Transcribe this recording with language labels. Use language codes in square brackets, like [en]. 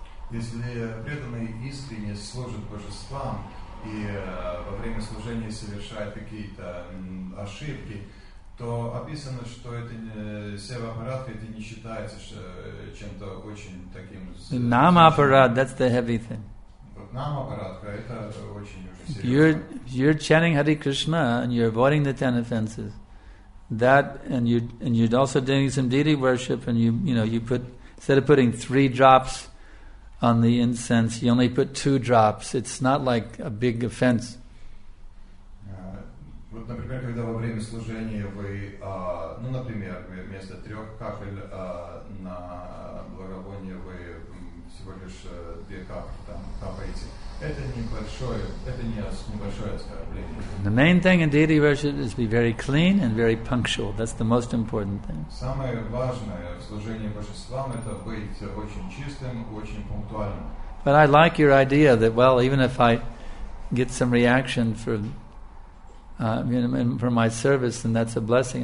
[ru] Если преданный искренне служит божествам и во время служения совершает какие-то ошибки, то описано, что это сева-аппарат, это не считается чем-то очень таким... [en] Нам-аппарат, that's the heavy thing. [ru] Нам-аппарат, это очень уже серьезно. [en] You're chanting Hare Krishna and you're avoiding the 10 offenses. That, and you're also doing some deity worship, and you put, instead of putting 3 drops on the incense, you only put 2 drops. It's not like a big offense. [ru] Вот, например, когда во время служения вы, например, вместо 3 капель на благовоние вы всего лишь 2 капли там капаете. Это небольшое оскорбление. [en] The main thing in deity worship is to be very clean and very punctual. That's the most important thing. [ru] Самое важное в служении божествам – это быть очень чистым, очень пунктуальным. [en] But I like your idea that, well, even if I get some reaction for... for my service, and that's a blessing.